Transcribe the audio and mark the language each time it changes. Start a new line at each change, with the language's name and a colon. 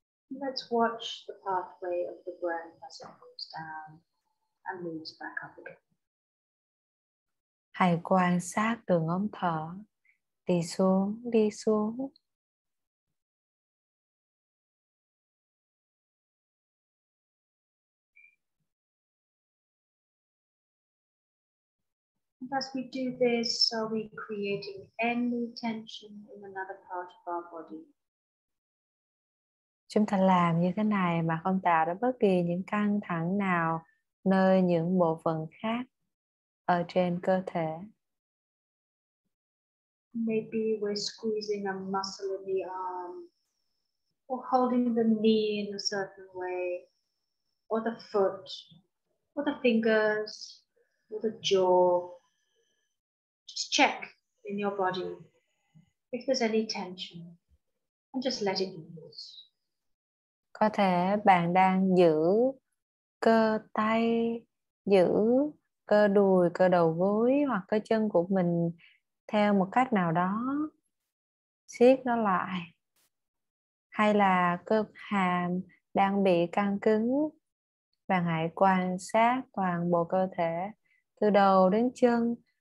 English: Let's watch the pathway of the breath as it moves down and moves back up again.
Vietnamese: Hãy quan sát đường ống thở đi xuống, đi xuống.
English: And as we do this, are we creating any tension in another part of our body?
Vietnamese: Chúng ta làm như thế này mà không tạo ra bất kỳ những căng thẳng nào nơi những bộ phận khác ở trên cơ thể.
English: Maybe we're squeezing a muscle in the arm, or holding the knee in a certain way, or the foot, or the fingers, or the jaw. Just check in your body if there's any tension, and just let it loose.
Vietnamese: Có thể bạn đang giữ cơ tay, giữ cơ đùi, cơ đầu gối hoặc cơ chân của mình theo một cách nào đó, siết nó lại. Hay là cơ hàm đang bị căng cứng, bạn hãy quan sát toàn bộ cơ thể từ đầu đến chân.